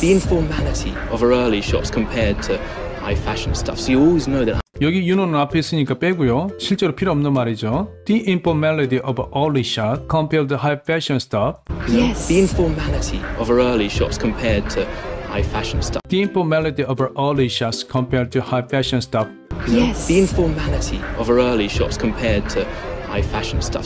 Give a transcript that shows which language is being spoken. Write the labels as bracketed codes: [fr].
[en] The informality of early shots compared to high fashion stuff. So you always know that. [ko] 여기 유노는 앞에 있으니까 빼고요. 실제로 필요 없는 말이죠. [en] The informality of early shot compared to high fashion stuff. Yes. The informality of early shots compared to high fashion stuff. The informality of early shots compared to high fashion stuff. Yes. The informality of early shots compared to high fashion stuff.